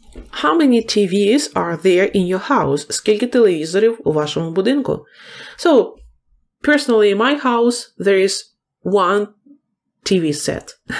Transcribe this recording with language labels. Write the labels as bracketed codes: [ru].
[en] How many TVs are there in your house? [uk] Скільки телевізорів у вашому будинку? [en] So, personally, in my house, there is one TV set.